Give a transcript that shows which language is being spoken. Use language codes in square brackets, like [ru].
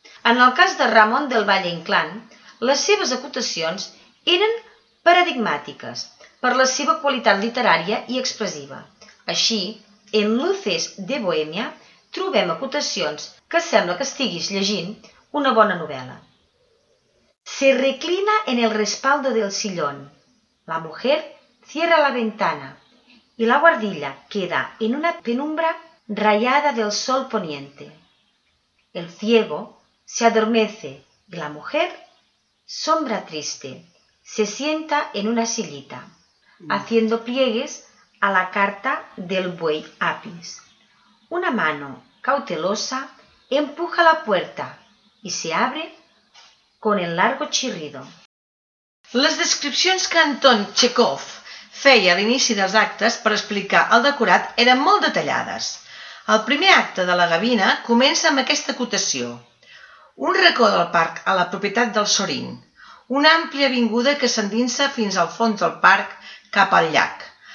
[ca] En el cas de Ramon del Valle Inclán, les seves acotacions eren paradigmàtiques per la seva qualitat literària i expressiva. Així, en Luces de Bohemia trobem acotacions que sembla que estiguis llegint una bona novel·la. [es] Se reclina en el respaldo del sillón. La mujer cierra la ventana y la guardilla queda en una penumbra rayada del sol poniente. El ciego se adormece y la mujer, sombra triste, se sienta en una sillita, haciendo pliegues a la carta del buey Apis. Una mano cautelosa empuja la puerta y se abre con el largo chirrido. [ca] Les descripcions que Anton Chekhov feia a l'inici dels actes per explicar el decorat eren molt detallades. El primer acte de la Gavina comença amb aquesta acotació. Un racó del parc a la propietat del Sorín, una àmplia avinguda que s'endinsa fins al fons del parc cap al llac.